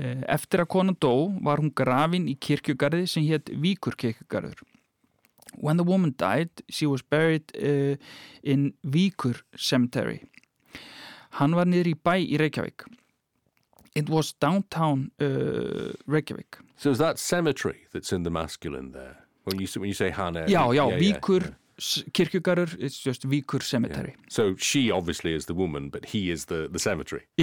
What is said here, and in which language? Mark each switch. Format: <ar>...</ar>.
<is>Eftir að konan dó var hún grafin í kirkjugarði sem hét Víkur kirkjugarður.</is> <en>When the woman died, she was buried in Víkur cemetery.</en> <is>Hann var niður í bæ í Reykjavík.</is> <en>It was downtown Reykjavík. So is that cemetery that's in the masculine there? When you say</en> <is>hann er...</is> <en>Víkur kirkjugarður, it's just Víkur cemetery. Yeah. So she obviously is the woman, but he is the cemetery.</en>